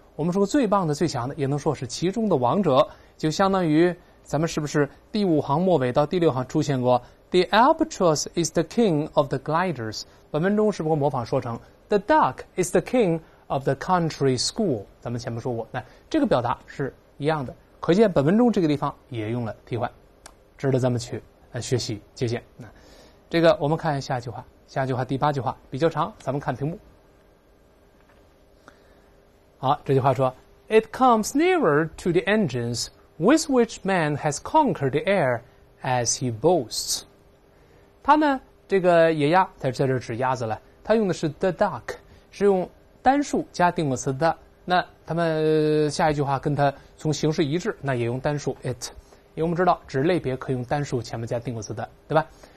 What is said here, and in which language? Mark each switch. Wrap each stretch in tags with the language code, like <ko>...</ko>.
<zh>我们说最棒的、最强的，也能说是其中的王者，就相当于咱们是不是第五行末尾到第六行出现过</zh> <en>The albatross is the king of the gliders，</en> <zh>本文中是不是模仿说成</zh> <en>The duck is the king of the country school，</en> <zh>咱们前面说过，那这个表达是一样的，可见本文中这个地方也用了替换，值得咱们去学习借鉴。那这个我们看下一句话，下一句话第八句话比较长，咱们看屏幕。</zh> <en>好，这句话说 It comes nearer to the engines with which man has conquered the air as he boasts。</en> <zh>他呢，这个野鸭在这儿指鸭子了，他用的是</zh> <en>the duck，</en> <zh>是用单数加定冠词 the， 那他们下一句话跟他从形式一致，那也用单数 it，因为我们知道指类别可以用单数前面加定冠词的，对吧？</zh>